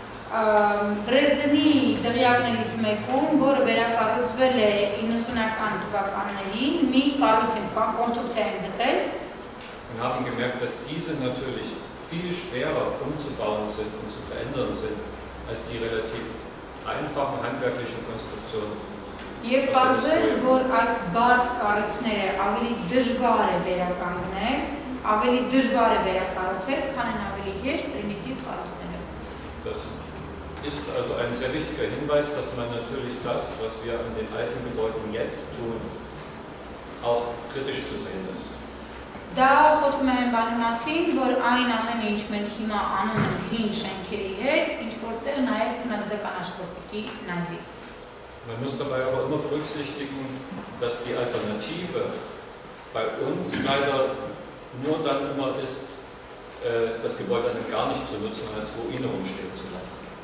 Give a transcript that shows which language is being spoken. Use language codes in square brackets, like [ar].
[hy] Dresdeni դղյակներից մեկում, որը վերակառուցվել է 90-ական թվականներին, մի կառույց են կոնստրուկցիա են գտել. [de] Wir haben gemerkt, dass diese natürlich viel schwerer umzubauen sind und zu verändern sind als die relativ einfachen handwerklichen Konstruktionen. [hy] Եվ բարձր, որ այդ բարդ կառույցները ավելի դժվար է վերականգնել, ավելի դժվար է վերակառուցել, քան են ավելի հեշտ պրիմիտիվ կառույցները. [de] Das ist also ein sehr wichtiger Hinweis, dass man natürlich das, was wir in den alten Gebäuden jetzt tun, auch kritisch zu sehen ist. [hy] Da խոսում եմ բանի մասին, որ այն ամենը, ինչ մենք հիմա անում ենք հին շենքերի հետ, ինչ որտեղ նաև քննադատական աշխարհ պիտի նայվի. [de] Man muss dabei aber immer berücksichtigen, dass die Alternative bei uns leider nur dann immer ist, das Gebäude dann gar nicht zu nutzen, als Ruine umstehen zu lassen.